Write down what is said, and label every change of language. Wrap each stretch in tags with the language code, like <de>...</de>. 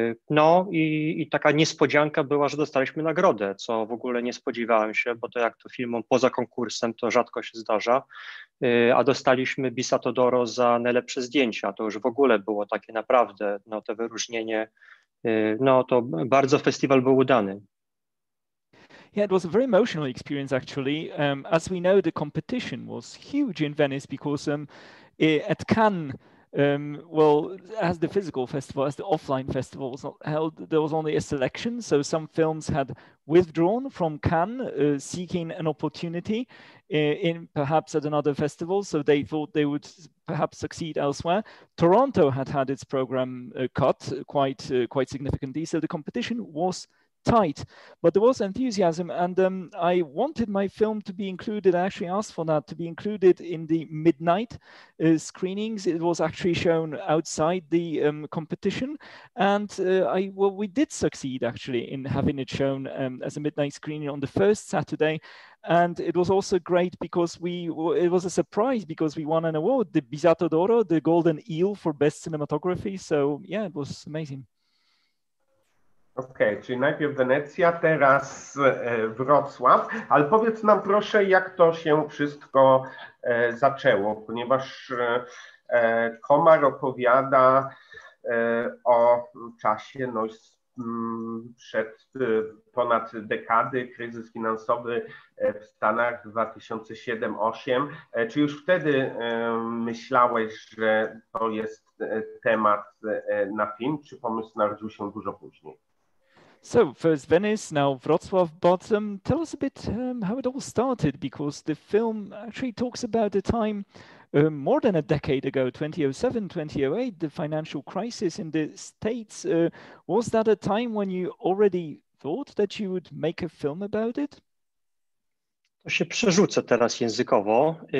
<pl>No i taka niespodzianka była, że dostaliśmy nagrodę, co w ogóle nie spodziewałem się, bo to jak to filmom poza konkursem to rzadko się zdarza, a dostaliśmy Bisato d'Oro za najlepsze zdjęcia, to już w ogóle było takie naprawdę, no to wyróżnienie. No, to bardzo festiwal był udany.</pl> <en>Yeah, it was a very emotional experience, actually. As we know, the competition was huge in Venice because at Cannes, well, as the physical festival, as the offline festival was not held, there was only a selection. So some films had withdrawn from Cannes, seeking an opportunity in perhaps at another festival. So they thought they would perhaps succeed elsewhere. Toronto had its program cut quite significantly. So the competition was tight, but there was enthusiasm, and I wanted my film to be included. I actually asked for that to be included in the midnight screenings. It was actually shown outside the competition, and we did succeed actually in having it shown as a midnight screening on the first Saturday. And it was also great because it was a surprise because we won an award, the Bisato d'Oro, the Golden Eel for Best Cinematography. So yeah, it was amazing.</en> <pl>Okej, czyli najpierw Wenecja, teraz Wrocław, ale powiedz nam proszę, jak to się wszystko zaczęło, ponieważ Komar opowiada o czasie sprzed ponad dekady, kryzys finansowy w Stanach 2007-2008. Czy już wtedy myślałeś, że to jest temat na film, czy pomysł narodził się dużo później?</pl> <en>So first Venice, now Wrocław, but tell us a bit how it all started, because the film actually talks about a time more than a decade ago, 2007, 2008, the financial crisis in the States. Was that a time when you already thought that you would make a film about it?</en> <pl>To się przerzucę teraz językowo.</pl>